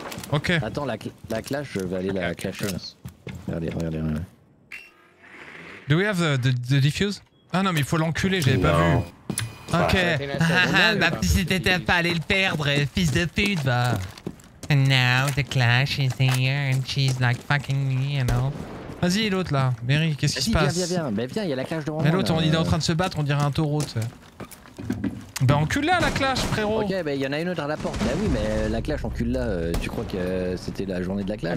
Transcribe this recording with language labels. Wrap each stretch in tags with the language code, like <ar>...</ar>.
<en>Ok.</en> <fr>Attends, la clash, je vais aller la clasher. Regardez.</fr> <en>Do we have the diffuse?</en> <fr>Ah non, mais il faut l'enculer, j'avais pas vu. Ok. Bah si t'étais pas allé le perdre, fils de pute, bah.</fr> <en>And now the clash is here and she's like fucking me, you know.</en> <fr>Vas-y l'autre là, Mary, qu'est-ce qui se passe? Viens, y'a la clash devant moi. Mais l'autre, on est en train de se battre, on dirait un taureau, tu sais. Bah encule-la la clash, frérot. Ok, bah y'en a une autre à la porte. Bah oui, mais la clash, encule-la, tu crois que c'était la journée de la clash?</fr>